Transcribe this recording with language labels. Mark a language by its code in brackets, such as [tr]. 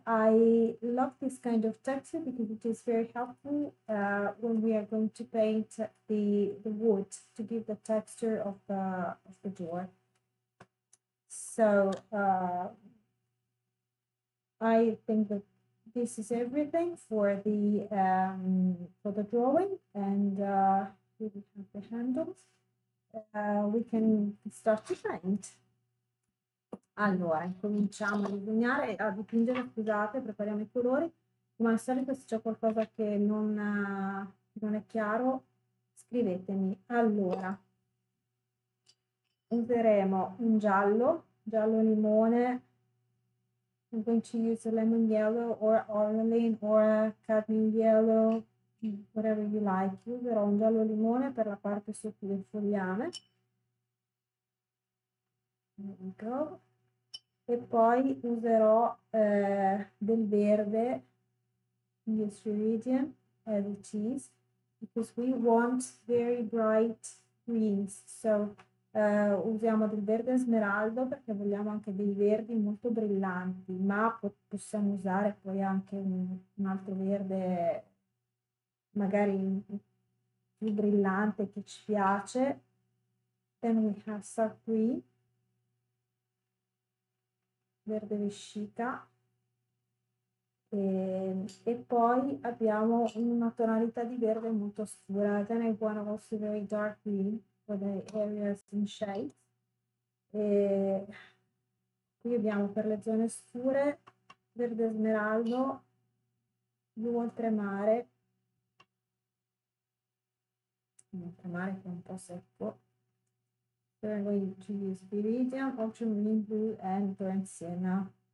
[en] I love this kind of texture because it is very helpful when we are going to paint the wood to give the texture of the door. So I think that this is everything for the drawing, and here we have the handles. We can start to paint. [it] Allora, cominciamo a disegnare, a dipingere, scusate, prepariamo i colori. Come al solito, se c'è qualcosa che non è chiaro, scrivetemi. Allora, useremo un giallo limone. [en] I'm going to use a lemon yellow or orange or a cadmium yellow, whatever you like. [it] Userò un giallo limone per la parte sotto del fogliame. [en] There we go. [it] E poi userò del verde, [en] the ceridian, as it is, because we want very bright greens. [it] So usiamo del verde smeraldo perché vogliamo anche dei verdi molto brillanti, ma possiamo usare poi anche un altro verde magari più brillante che ci piace. [en] Then we have some green, [it] verde vescica, e poi abbiamo una tonalità di verde molto scura. [en] Then I want also very dark green for the areas in shade. [it] E qui abbiamo per le zone scure verde smeraldo, blu oltremare, Molto male, che è un po' secco. Vengo in Chili Spiridion, Ocean Green Blue and Torrent Siena.